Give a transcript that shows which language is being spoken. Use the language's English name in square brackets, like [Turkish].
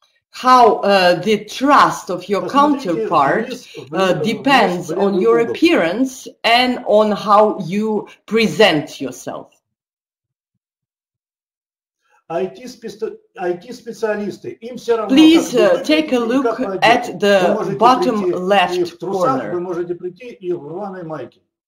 [English] How the trust of your counterpart depends on your appearance and on how you present yourself. [Russian] IT-специалисты, им все равно. [English] Please take a look at the bottom left corner. [Russian] Вы можете прийти и в рваной майке.